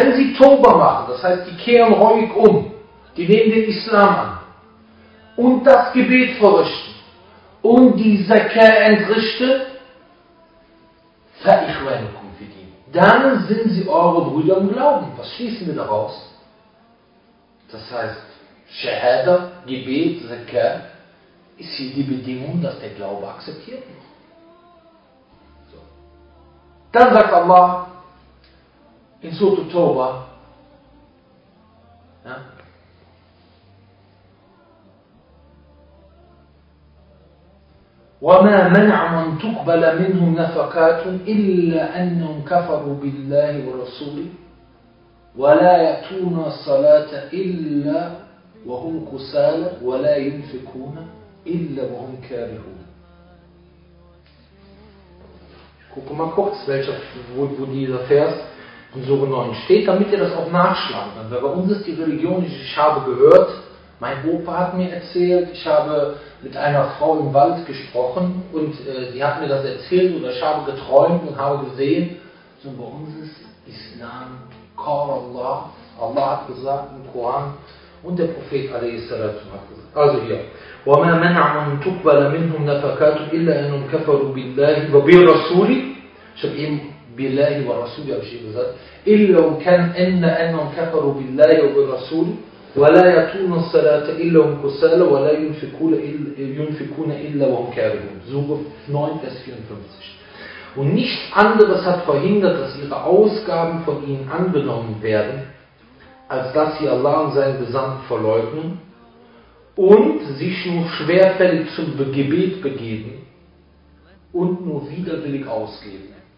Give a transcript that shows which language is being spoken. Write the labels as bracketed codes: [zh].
[de] Wenn sie Toba machen, das heißt, die kehren reuig um, die nehmen den Islam an und das Gebet verrichten und die Zakat entrichten, [ar] فَإِخْوَانُكُمْ فِي الدِّينِ, [de] dann sind sie eure Brüder im Glauben. Was schließen wir daraus? Das heißt, Shahada, Gebet, Zakat, ist hier die Bedingung, dass der Glaube akzeptiert wird. Dann sagt Allah in Surat al-Tawbah, [ar] وَمَا مَنَعَ مَنْ تُقْبَلَ مِنْهُمْ نَفَقَاتٌ إِلَّا أَنَّهُمْ كَفَرُوا بِاللَّهِ وَرَسُولِهِ وَلَا يَأْتُونَ الصَّلَاةَ إِلَّا وَهُمْ كُسَالَى وَلَا يُنْفِقُونَ إِلَّا وَهُمْ كَارِهُونَ. [de] Gucke mal kurz, welcher, wo dieser Vers in Sura 9 steht, damit ihr das auch nachschlagen könnt. Weil bei uns ist die Religion, ich habe gehört, mein Opa hat mir erzählt, ich habe mit einer Frau im Wald gesprochen und sie hat mir das erzählt oder ich habe geträumt und habe gesehen. So, bei uns ist Islam, Qala Allah, Allah hat gesagt im Koran und der Prophet alaihi salatu hat gesagt. Also hier. [ar] وما منع من تقبل منهم نفقات إلا أنهم كفروا بالله وبرسوله شو إيه بالله ورسوله أو شيء بذات إلا كان إن أنهم كفروا بالله وبرسوله ولا يأتون الصلاة إلا هم كسالى ولا ينفقون إلا وهم كارهون. [de] Sura 9, Vers 54. Und nichts anderes hat verhindert, dass ihre Ausgaben von ihnen angenommen werden, als dass sie Allah und seinen Gesandten verleugnen und sich nur schwerfällig zum Gebet begeben und nur widerwillig ausgeben.